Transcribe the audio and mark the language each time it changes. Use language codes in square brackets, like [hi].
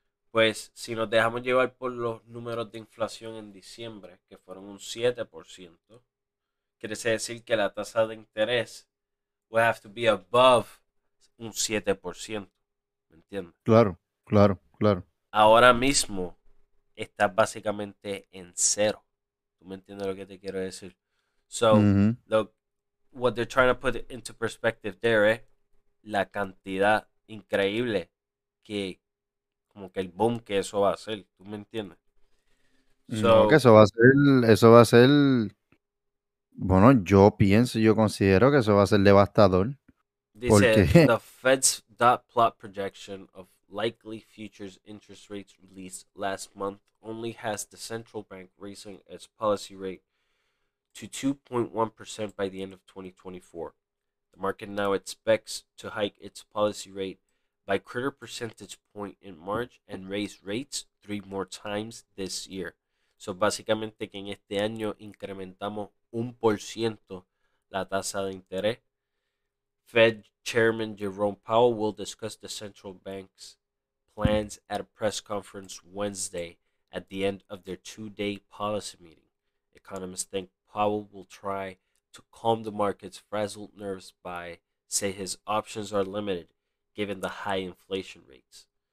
[es] Pues, si nos dejamos llevar por los números de inflación en diciembre, que fueron un 7%, quiere decir que la tasa de interés [en] will have to be above [es] un 7%. ¿Me entiendes? Claro. Ahora mismo está básicamente en cero. ¿Tú me entiendes lo que te quiero decir? [en] So, what they're trying to put into perspective there, [es] la cantidad increíble que como que el boom que eso va a hacer, ¿tú me entiendes? No, que eso va a ser, eso va a ser, bueno, yo pienso, yo considero que eso va a ser devastador, Dice, porque [en] the Fed's dot plot projection of likely futures interest rates released last month only has the central bank raising its policy rate to 2.1% by the end of 2024. The market now expects to hike its policy rate by quarter percentage point in March and raise rates three more times this year. [es] So, básicamente, que en este año incrementamos 1% la tasa de interés. [en] Fed Chairman Jerome Powell will discuss the central bank's plans at a press conference Wednesday at the end of their two-day policy meeting. Economists think Powell will try to calm the market's frazzled nerves by saying his options are limited given the high inflation rates.